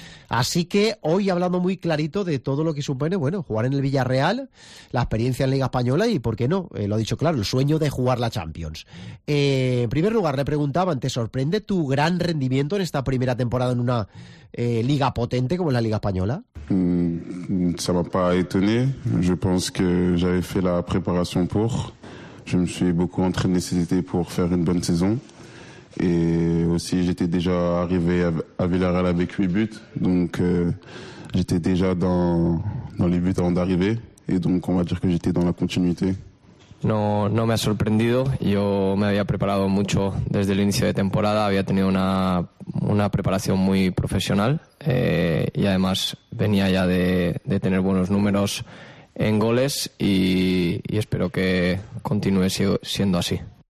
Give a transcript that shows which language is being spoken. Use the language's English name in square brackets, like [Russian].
[Spanish] Así que hoy hablando muy clarito de todo lo que supone, bueno, jugar en el Villarreal, la experiencia en Liga Española y, ¿por qué no?, lo ha dicho claro, el sueño de jugar la Champions. En primer lugar, le preguntaban, ¿te sorprende tu gran rendimiento en esta primera temporada en una liga potente como la Liga Española? [French] ça m'a pas étonné. Je pense que j'avais fait la préparation pour. Je me suis beaucoup entraîné cet été pour faire une bonne saison. Et aussi, j'étais déjà arrivé à Villarreal avec 8 buts. Donc, j'étais déjà dans les buts avant d'arriver. Et donc, on va dire que j'étais dans la continuité. [Spanish] No me ha sorprendido. Yo me había preparado mucho desde el inicio de temporada. Había tenido una preparación muy profesional y además venía ya de tener buenos números en goles y espero que continúe siendo así.